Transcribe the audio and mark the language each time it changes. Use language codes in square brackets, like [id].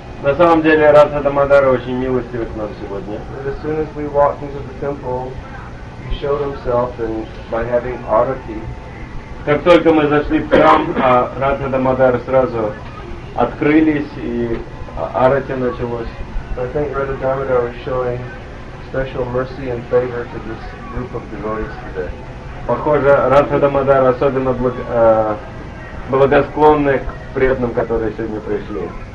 [ru] На самом деле, Радха Дамодара очень милостивый к нам сегодня. [en] But as soon as we walked into the temple, he showed himself and by having arati. [ru] Как только мы зашли в храм, Радха Дамодара сразу открылись и арати началось. [en] I think Radha Damodara is showing special mercy and favor to this group of devotees today. [ru] Похоже, Радха Дамодара особенно благосклонны к преданным, которые сегодня пришли.